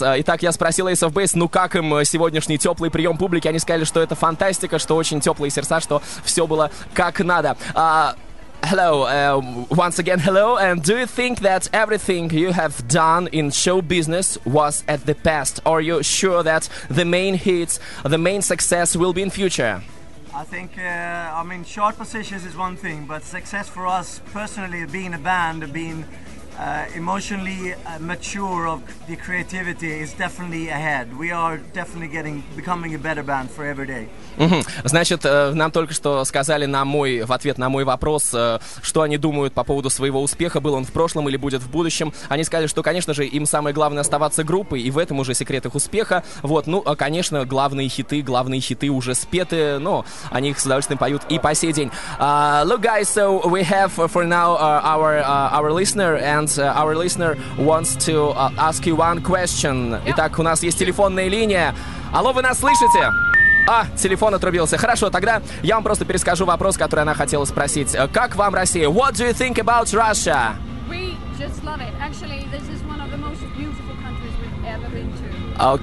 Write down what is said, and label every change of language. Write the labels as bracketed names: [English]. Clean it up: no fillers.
[Russian] Итак, я спросил Ace of Base, ну как им сегодняшний теплый прием публики? Они сказали, что это фантастика, что очень теплые сердца, что все было как надо. [English] Hello, once again, hello. And do you think that everything you have done in show business was at the best? Or are you sure that the main hits, the main success will be in future? I think, short positions is one thing, but success for us personally, being a band, being emotionally mature of the creativity is definitely ahead. We are definitely becoming a better band for every day. Mm-hmm. [Russian] Значит, нам только что сказали в ответ на мой вопрос, что они думают по поводу своего успеха, был он в прошлом или будет в будущем. Они сказали, что, конечно же, им самое главное оставаться группой, и в этом уже секрет их успеха. Вот, ну, конечно, главные хиты уже спеты, но они их с удовольствием поют и по сей день. [English] Look, guys, so we have for now our listener, and our listener wants to ask you one question. [Russian] Итак, у нас есть телефонная линия. Алло, вы нас слышите? А, телефон отрубился. Хорошо, тогда я вам просто перескажу вопрос, который она хотела спросить. Как вам Россия? [English] What do you think about Russia? We just love it. Actually, this is one of the most beautiful countries we've ever been to.